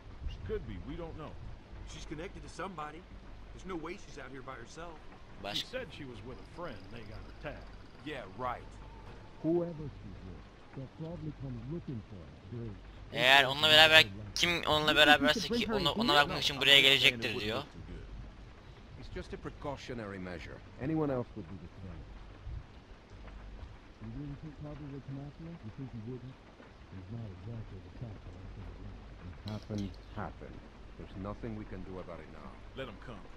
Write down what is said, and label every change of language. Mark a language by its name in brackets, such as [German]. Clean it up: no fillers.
[English] She could be, we don't know. She's connected to somebody. There's no way she's out here by herself. [Turkish] Başka. [English] She said she was with a friend. They got attacked. Yeah, right. Whoever she's with, they'll probably come looking for her. [Turkish] Eğer onunla beraber kim onunla beraberse ki ona bakmak için buraya gelecektir diyor. [English] It's just a precautionary measure. Anyone else would do the same. You really think Carver would come after us? You think he wouldn't? He's not exactly the type of thing. What happened, happened. There's nothing we can do about it now. Let him come.